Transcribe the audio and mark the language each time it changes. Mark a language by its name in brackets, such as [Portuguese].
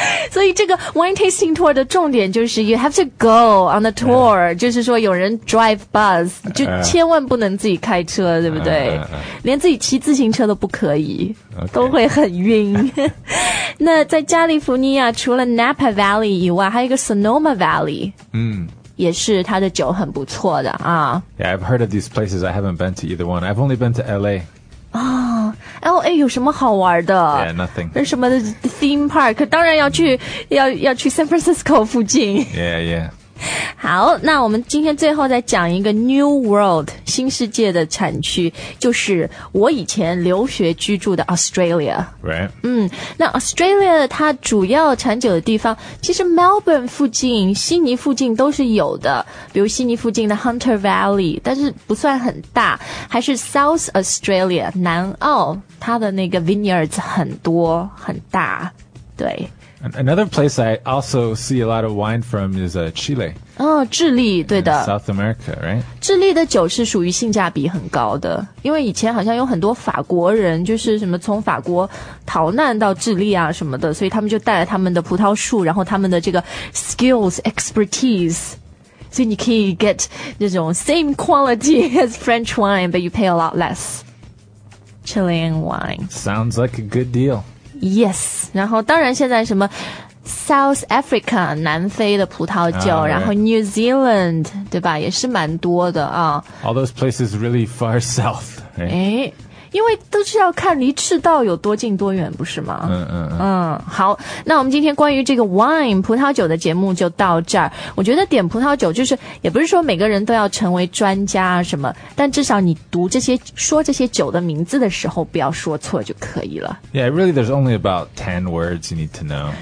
[Chinese] 所以这个 wine tasting tour 的重点就是 [English] you have to go on the tour, [Chinese] 就是说有人 drive bus, 就千万不能自己开车对不对连自己骑自行车都不可以、都会很晕。那在加利福尼亚除了 Napa Valley 以外还有一个 Sonoma Valley。也是它的酒很不错的啊。 [English] Yeah, I've heard of these places, I haven't been to either one. I've only been to LA. [Chinese] LA 有什么好玩的 [English] Yeah, nothing. [Chinese] 有什么 theme park? 当然要去 San Francisco 附近。 [English] Yeah, yeah. [Chinese] 好，那我们今天最后再讲一个 New World 新世界的产区，就是我以前留学居住的 Australia。 [English] Right. [Chinese] 嗯，那 Australia 它主要产酒的地方，其实 Melbourne 附近、悉尼附近都是有的，比如悉尼附近的 Hunter Valley， 但是不算很大，还是 South Australia 南澳，它的那个 vineyards 很多很大，对。 [English] Another place I also see a lot of wine from is Chile. [Chinese] Oh, 智利，对的。 [English] South America, right? [Chinese] 智利的酒是属于性价比很高的，因为以前好像有很多法国人，就是什么从法国逃难到智利啊什么的，所以他们就带了他们的葡萄树，然后他们的这个 skills, expertise. 所以你可以 [English] get 那种 same quality as French wine, but you pay a lot less. Chilean wine. Sounds like a good deal. [Chinese] Yes, 然后当然现在什么 South Africa, 南非的葡萄酒、 [English] right. [Chinese] 然后 New Zealand, 对吧也是蛮多的啊。 [English] All those places really far south, right? [Chinese] 诶因为都是要看离赤道有多近多远不是吗嗯嗯、嗯。好那我们今天关于这个 wine, 葡萄酒的节目就到这儿。我觉得点葡萄酒就是也不是说每个人都要成为专家什么但至少你读这些说这些酒的名字的时候不要说错就可以了。 [English] Yeah, really there's only about 10 words you need to know.